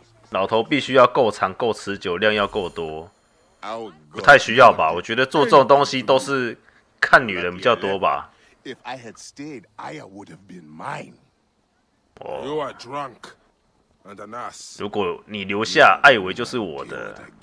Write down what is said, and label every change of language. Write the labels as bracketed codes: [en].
[zh] 老头必须要够长、够持久，量要够多。不太需要吧？我觉得做这种东西都是看女人比较多吧。 [en] If I had stayed, Aya would have been mine. You are drunk and an ass. [zh] 如果你留下，艾维就是我的。